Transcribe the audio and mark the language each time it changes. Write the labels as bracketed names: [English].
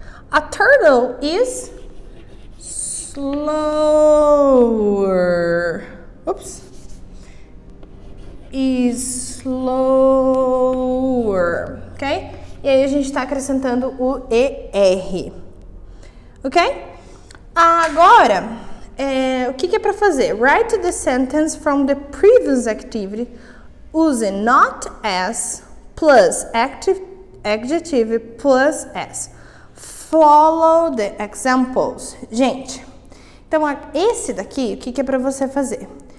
[English] A turtle is slower. Oops. Is slower. Ok? [Portuguese] E aí, a gente está acrescentando o ER. Ok? Agora... O que é para fazer? [English] Write the sentence from the previous activity using not as plus active adjective plus as. Follow the examples. [Portuguese] Gente, então esse daqui, o que é para você fazer?